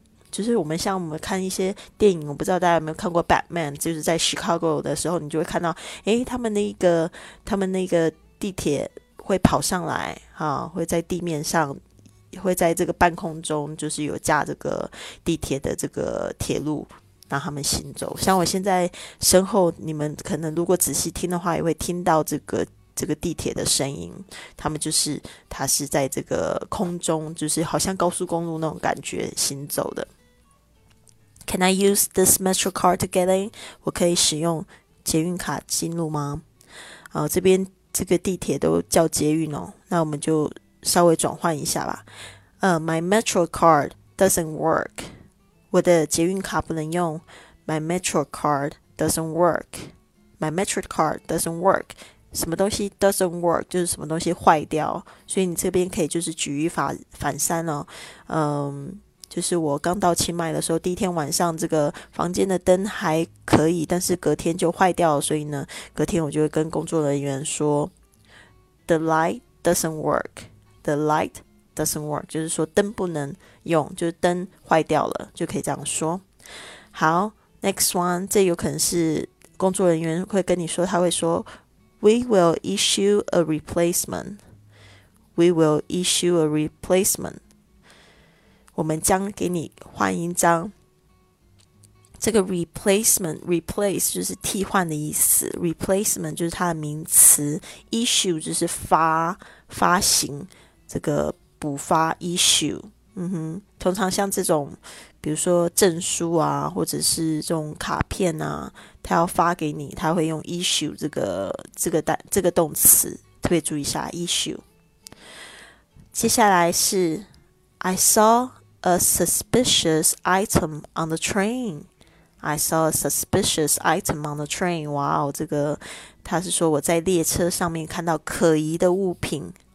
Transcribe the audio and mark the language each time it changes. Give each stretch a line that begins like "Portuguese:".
Chinese: 就是我们像我们看一些电影，我不知道大家有没有看过 Batman， 就是在 Chicago 的时候你就会看到他们那个地铁会跑上来啊，会在地面上，会在这个半空中，就是有架这个地铁的这个铁路，让他们行走。像我现在身后，你们可能如果仔细听的话，也会听到这个地铁的声音。它是在这个空中，就是好像高速公路那种感觉行走的。
English: Can I use this metro card to get in?
Chinese: 我可以使用捷运卡进入吗？这边。这个地铁都叫捷运哦，那我们就稍微转换一下吧。
English: My metro card doesn't work，
Chinese: 我的捷运卡不能用。
English: My metro card doesn't work，
Chinese: My metro card
English: doesn't work，
Chinese: 什么东西 doesn't work 就是什么东西坏掉，所以你这边可以就是举一反三哦。就是我刚到清迈的时候，第一天晚上这个房间的灯还可以，但是隔天就坏掉了，所以呢隔天我就会跟工作人员说
English: The light doesn't work，
Chinese: The light doesn't work， 就是说灯不能用，就是灯坏掉了，就可以这样说。好，
English: next one，
Chinese: 这有可能是工作人员会跟你说，他会说
English: We will issue a replacement. We will issue a replacement.
Chinese: 我们将给你换一张。这个 replacement, replace 就是替换的意思。 Replacement 就是它的名词。 Issue 就是发行。这个补发 issue。嗯哼，通常像这种比如说证书啊或者是这种卡片啊，他要发给你，他会用 issue 这个动词，特别注意一下 issue。 接下来是
English: I saw a suspicious item on the train. I saw a suspicious item on the train.
Chinese: 哇哦，这个他是说我在列车上面看到可疑的物品。